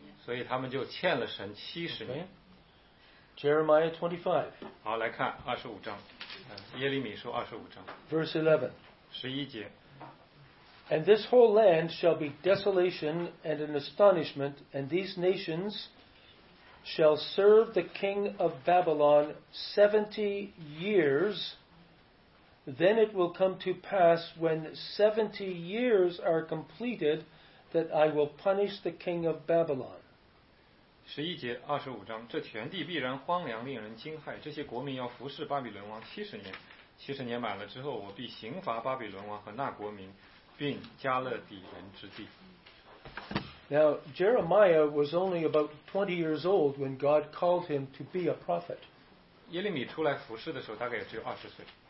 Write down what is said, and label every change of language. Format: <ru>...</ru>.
<zh>所以他们就欠了神七十年。</zh> <en>Jeremiah 25。</en> <zh>好，来看二十五章，耶利米书二十五章。</zh> <en>Verse 11。</en> <zh>十一节。</zh> <en>And this whole land shall be desolation and an astonishment, and these nations shall serve the king of Babylon 70 years. Then it will come to pass when 70 years are completed that I will punish the king of Babylon.</en> <zh>十一节二十五章，这全地必然荒凉，令人惊骇。这些国民要服侍巴比伦王七十年，七十年满了之后，我必刑罚巴比伦王和那国民，并加勒底人之地。</zh> <en>Now Jeremiah was only about 20 years old when God called him to be a prophet.</en> <zh>耶利米出来服侍的时候，大概也只有二十岁。</zh>